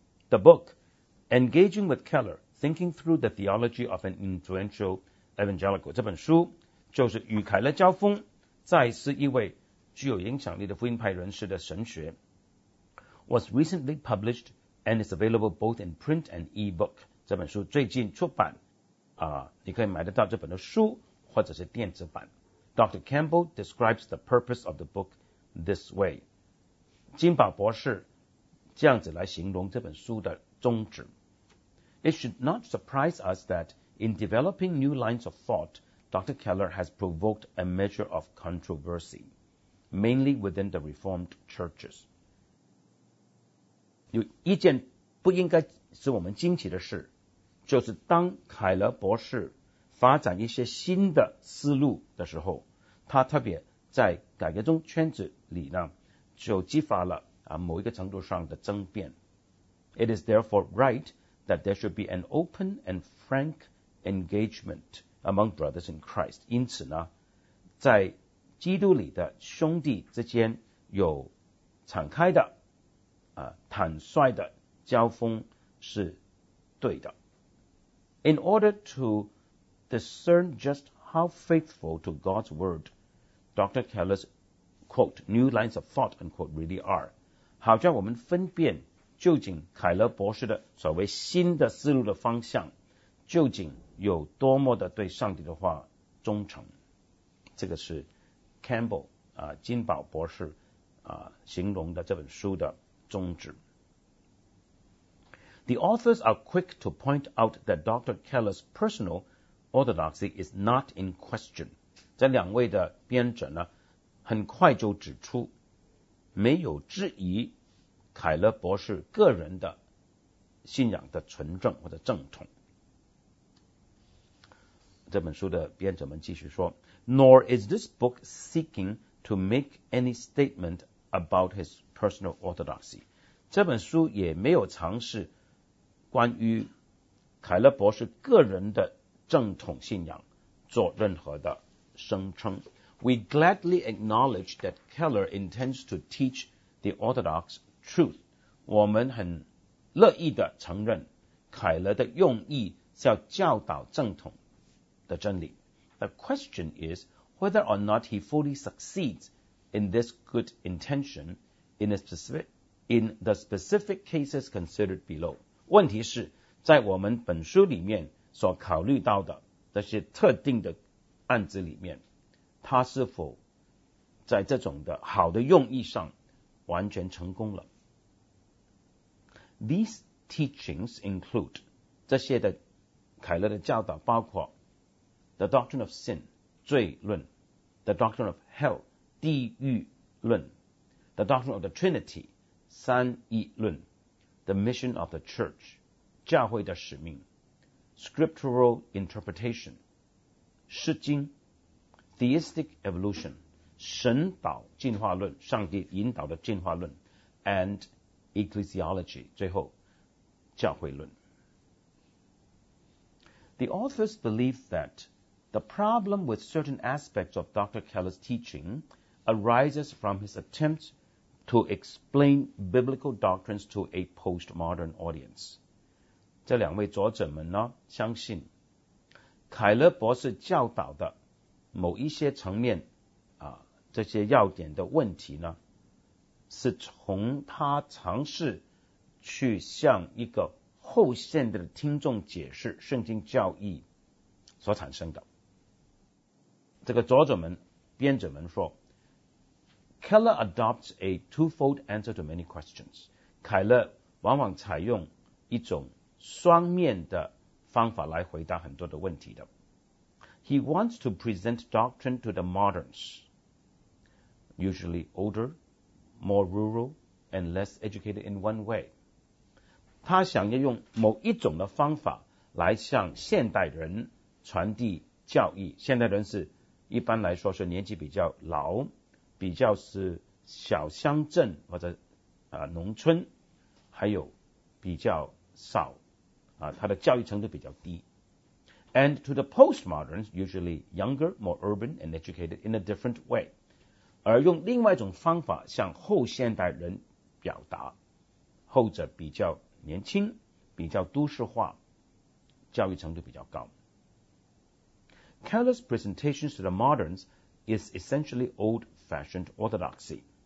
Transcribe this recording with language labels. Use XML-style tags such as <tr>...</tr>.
<en>The book Engaging with Keller Thinking Through the Theology of an Influential Evangelical</en> <zh>这本书就是与凯勒交锋，再是一位具有影响力的福音派人士的神学。</zh> <en>Was recently published and is available both in print and e-book</en> <zh>这本书最近出版你可以买得到这本的书或者是电子版。</zh> <en>Dr. Campbell describes the purpose of the book this way</en> <zh>金宝博士这样子来形容这本书的宗旨。</zh> <en>It should not surprise us that in developing new lines of thoughtDr. Keller has provoked a measure of controversy, mainly within the Reformed churches.</en> <zh>有一件不应该使我们惊奇的事，就是当凯勒博士发展一些新的思路的时候，他特别在改革中圈子里呢，就激发了某一个程度上的争辩。</zh> <en>It is therefore right that there should be an open and frank engagement. Among brothers in Christ.</en> <zh>因此呢在基督里的兄弟之间有敞开的坦率的交锋是对的。</zh> <en>In order to discern just how faithful to God's word, Dr. Keller's quote, new lines of thought, unquote, really are.</en> <zh>好叫我们分辨究竟凯勒博士的所谓新的思路的方向究竟有多么的对上帝的话忠诚。这个是 Campbell 金宝博士形容的这本书的宗旨。</zh> <en>The authors are quick to point out that Dr. Keller's personal orthodoxy is not in question.</en> <zh>这两位的编者呢很快就指出没有质疑凯勒博士个人的信仰的纯正或者正统。这本书的编者们继续说</zh> <en>Nor is this book seeking to make any statement about his personal orthodoxy</en> <zh>这本书也没有尝试关于凯勒博士个人的正统信仰做任何的声称</zh> <en>We gladly acknowledge that Keller intends to teach the orthodox truth</en> <zh>我们很乐意的承认凯勒的用意是要教导正统的真理。</zh> <en>The question is whether or not he fully succeeds in this good intention in the specific cases considered below.</en> <zh>问题是在我们本书里面所考虑到的这些特定的案子里面他是否在这种的好的用意上完全成功了。</zh> <en>These teachings include</en> <zh>这些的凯勒的教导包括</zh> <en>The doctrine of sin,</en> <zh>罪论</zh> <en>The doctrine of hell,</en> <zh>地狱论</zh> <en>The doctrine of the Trinity,</en> <zh>三一论</zh> <en>The mission of the church,</en> <zh>教会的使命</zh> <en>Scriptural interpretation,</en> <zh>释经</zh> <en>Theistic evolution,</en> <zh>神导进化论上帝引导的进化论</zh> <en>And ecclesiology,</en> <zh>最后教会论</zh> <en>The authors believe that The problem with certain aspects of Dr. Keller's teaching arises from his attempt to explain biblical doctrines to a postmodern audience.</en> <zh>这两位作者们呢，相信凯勒博士教导的某一些层面啊，这些要点的问题呢，是从他尝试去向一个后现代的听众解释圣经教义所产生的。这个作者们、编者们说</zh> <en>，Keller adopts a twofold answer to many questions.</en> <zh>凯勒往往采用一种双面的方法来回答很多的问题的。</zh> <en>He wants to present doctrine to the moderns, usually older, more rural, and less educated in one way.</en> <zh>他想要用某一种的方法来向现代人传递教义。现代人是一般来说是年纪比较老，比较是小乡镇或者农村，还有比较少。他的教育程度比较低。</zh> <en>And to the postmoderns, usually younger, more urban, and educated in a different way.</en> <zh>而用另外一种方法向后现代人表达，后者比较年轻，比较都市化，教育程度比较高。</zh> <en>Keller's presentation to the moderns is essentially old-fashioned orthodoxy.</en>